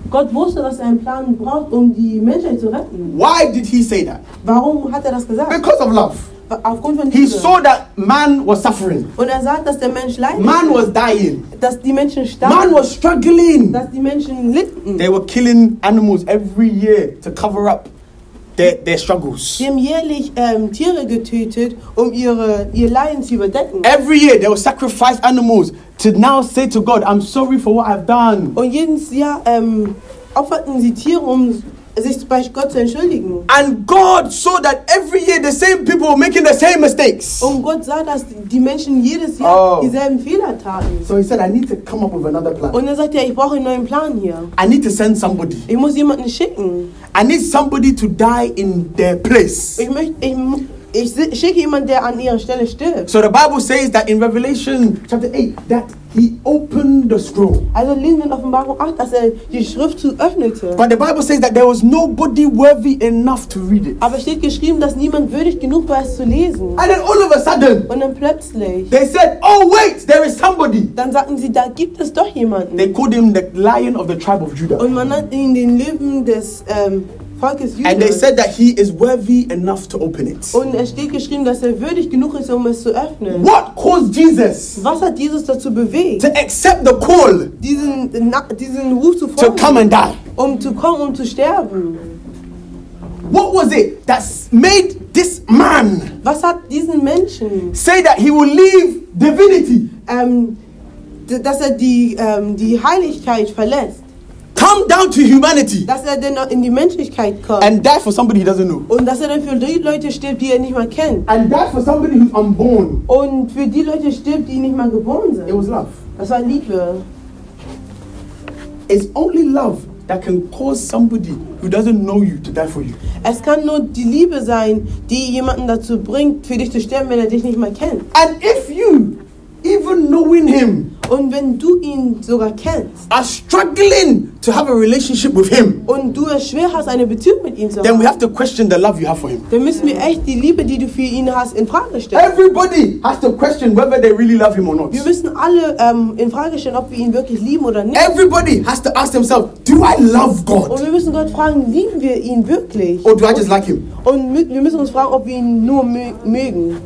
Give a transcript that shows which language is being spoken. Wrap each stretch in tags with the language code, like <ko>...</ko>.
<de>Gott wusste, dass er einen Plan braucht, um die Menschheit zu retten.</de> <en>Why did he say that?</en> <de>Warum hat er das gesagt?</de> <en>Because of love.</en> <de>Aufgrund von Liebe.</de> <en>He saw that man was suffering.</en> <de>Und er sah, dass der Mensch leidet.</de> <en>Man was dying.</en> <de>Dass die Menschen starben.</de> <en>Man was struggling.</en> <de>Dass die Menschen litten.</de> <en>They were killing animals every year to cover up their struggles.</en> <de>Sie haben jährlich Tiere getötet, um ihr Leiden zu überdecken.</de> <en>Every year they will sacrifice animals to now say to God, I'm sorry for what I've done.</en> <de>Und jedes Jahr opferten sie Tiere, um sich bei Gott zu entschuldigen.</de> <en>And God saw that every year the same people were making the same mistakes.</en> <de>Und Gott sah, dass die Menschen jedes Jahr dieselben Fehler taten.</de> <en>So he said, I need to come up with another plan.</en> <de>Und er sagte, ja, ich brauche einen neuen Plan hier.</de> <en>I need to send somebody.</en> <de>Ich muss jemanden schicken.</de> <en>I need somebody to die in their place.</en> <de>Ich möchte Ich schicke jemanden, der an ihrer Stelle stirbt.</de> <en>So the Bible says that in Revelation chapter 8 that he opened the scroll.</en> <de>Also lesen wir in Offenbarung 8, dass die Schrift zu öffnete.</de> <en>But the Bible says that there was nobody worthy enough to read it.</en> <de>Aber steht geschrieben, dass niemand würdig genug war, es zu lesen.</de> <en>And then all of a sudden,</en> <de>und dann plötzlich,</de> <en>they said, oh wait, there is somebody.</en> <de>Dann sagten sie, da gibt es doch jemanden.</de> <en>They called him the Lion of the Tribe of Judah.</en> <de>Und man nannte ihn den Löwen des Volkes Judah.</de> <en>And they said that he is worthy enough to open it.</en> <de>Und es steht geschrieben, dass würdig genug ist, es zu öffnen.</de> <en>What caused Jesus?</en> <de>Was hat Jesus dazu bewegt?</de> <en>To accept the call.</en> <de>Diesen Ruf zu folgen.</de> <en>To come and die.</en> <de>Zu kommen und zu sterben.</de> <en>What was it that made this man?</en> <de>Was hat diesen Menschen?</de> <en>Say that he will leave divinity.</en> <de>Dass die Heiligkeit verlässt.</de> <en>Come down to humanity.</en> <de>Dass dann in die Menschlichkeit kommt.</de> <en>And die for somebody he doesn't know.</en> <de>Und dass dann für die Leute stirbt, die nicht mal kennt.</de> <en>And die for somebody who's unborn.</en> <de>Und für die Leute stirbt, die nicht mal geboren sind.</de> <en>It was love.</en> <de>Das war Liebe.</de> <en>It's only love that can cause somebody who doesn't know you to die for you.</en> <de>Es kann nur die Liebe sein, die jemanden dazu bringt, für dich zu sterben, wenn dich nicht mal kennt.</de> <en>And if you even knowing him.</en> <de>Und wenn du ihn sogar kennst.</de> <en>Are struggling to have a relationship with him.</en> <de>Und du es schwer hast, eine Beziehung mit ihm zu haben.</de> <en>Then we have to question the love you have for him.</en> <de>Dann müssen wir echt die Liebe, die du für ihn hast, in Frage stellen.</de> <en>Everybody has to question whether they really love him or not.</en> <de>Wir müssen alle in Frage stellen, ob wir ihn wirklich lieben oder nicht.</de> <en>Everybody has to ask themselves, do I love God?</en> <de>Und wir müssen Gott fragen, lieben wir ihn wirklich?</de> <en>Or do I just like him?</en> <de>Und wir müssen uns fragen, ob wir ihn nur mögen.</de>